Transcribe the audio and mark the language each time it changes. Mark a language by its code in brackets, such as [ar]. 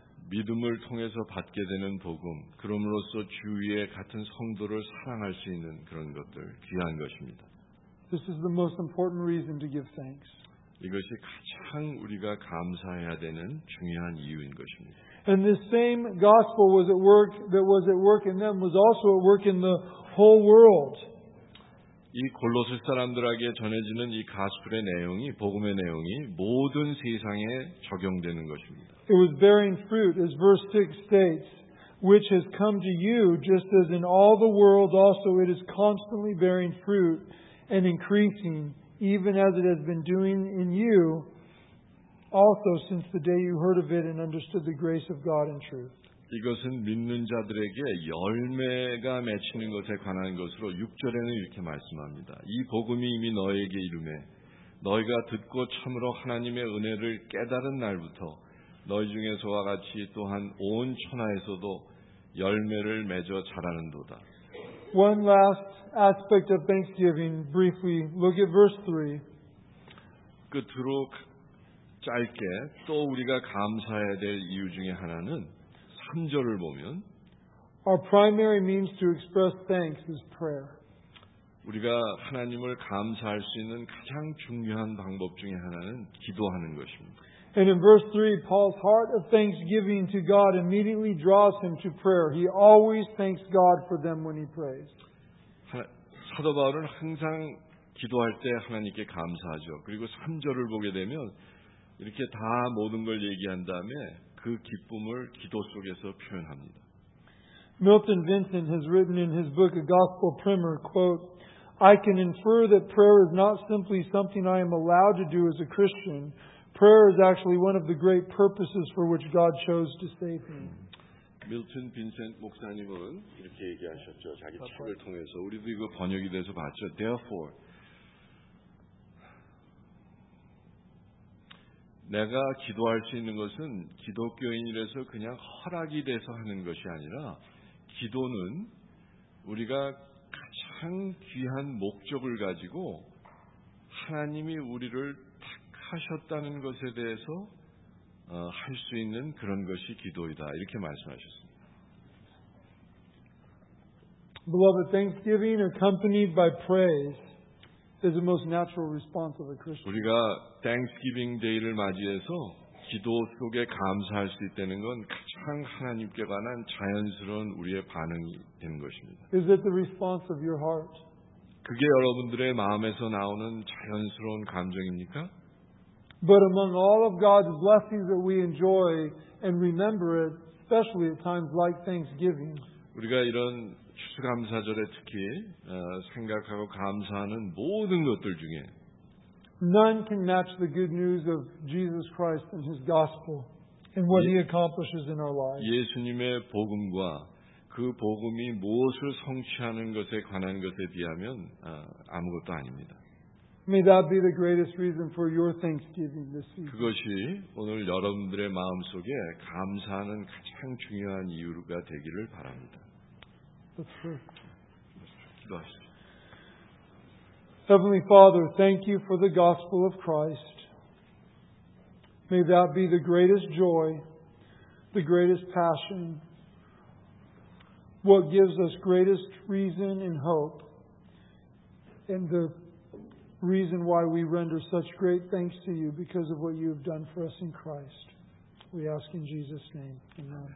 [ko] 믿음을 통해서 받게 되는 복음, 그럼으로써 주위의 같은 성도를 사랑할 수 있는 그런 것들 귀한 것입니다. [en] This is the most important reason to give thanks. [ko] 이것이 가장 우리가 감사해야 되는 중요한 이유인 것입니다. [en] And this same gospel was at work that was at work in them was also at work in the whole world. [ko] 이 골로새 사람들에게 전해지는 이 가스펠의 내용이 복음의 내용이 모든 세상에 적용되는 것입니다. [en] It was bearing fruit, as verse 6 states, which has come to you, just as in all the world also it is constantly bearing fruit and increasing. Even as it has been doing in you, also since the day you heard of it and understood the grace of God in truth. [ko] 이것은 믿는 자들에게 열매가 맺히는 것에 관한 것으로 6절에는 이렇게 말씀합니다. 이 복음이 이미 너에게 이르매 너희가 듣고 참으로 하나님의 은혜를 깨달은 날부터 너희 중에서와 같이 또한 온 천하에서도 열매를 맺어 자라는도다. [en] One last aspect of thanksgiving, briefly, look at verse 3. [ko] 끝으로 짧게 또 우리가 감사해야 될 이유 중에 하나는 3절을 보면 [en] Our primary means to express thanks is prayer. [ko] 우리가 하나님을 감사할 수 있는 가장 중요한 방법 중에 하나는 기도하는 것입니다. [en] And in verse 3, Paul's heart of thanksgiving to God immediately draws him to prayer. He always thanks God for them when he prays. [ko] 사도 바울은 항상 기도할 때 하나님께 감사하죠. 그리고 3절을 보게 되면 이렇게 다 모든 걸 얘기한 다음에 그 기쁨을 기도 속에서 표현합니다. [en] Milton Vincent has written in his book A Gospel Primer, quote, I can infer that prayer is not simply something I am allowed to do as a Christian. Prayer is actually one of the great purposes for which God chose to save me. [ko] Milton Vincent 목사님은 이렇게 얘기하셨죠. 자기 책을 통해서 우리도 이거 번역이 돼서 봤죠. Therefore, 내가 기도할 수 있는 것은 기독교인이라서 그냥 허락이 돼서 하는 것이 아니라 기도는 우리가 가장 귀한 목적을 가지고 하나님이 우리를 하셨다는 것에 대해서 할 수 있는 그런 것이 기도이다 이렇게 말씀하셨습니다. [en] Beloved, thanksgiving accompanied by praise is the most natural response of a Christian. [ko] 우리가 Thanksgiving Day를 맞이해서 기도 속에 감사할 수 있다는 건 가장 하나님께 관한 자연스러운 우리의 반응이 되는 것입니다. [en] Is that the response of your heart? [ko] 그게 여러분들의 마음에서 나오는 자연스러운 감정입니까? [en] But among all of God's blessings that we enjoy and remember it, especially at times like Thanksgiving, [ko] 우리가 이런 추수감사절에 특히 생각하고 감사하는 모든 것들 중에 [en] none can match the good news of Jesus Christ and His gospel and what He accomplishes in our lives. [ko] 예수님의 복음과 그 복음이 무엇을 성취하는 것에 관한 것에 비하면 아무것도 아닙니다. [en] May that be the greatest reason for your thanksgiving this week. [ko] 그것이 오늘 여러분들의 마음 속에 감사하는 가장 중요한 이유가 되기를 바랍니다. [en] Let's pray. Heavenly Father, thank you for the gospel of Christ. May that be the greatest joy, the greatest passion, what gives us greatest reason and hope, and the reason why we render such great thanks to you because of what you have done for us in Christ. We ask in Jesus' name. Amen.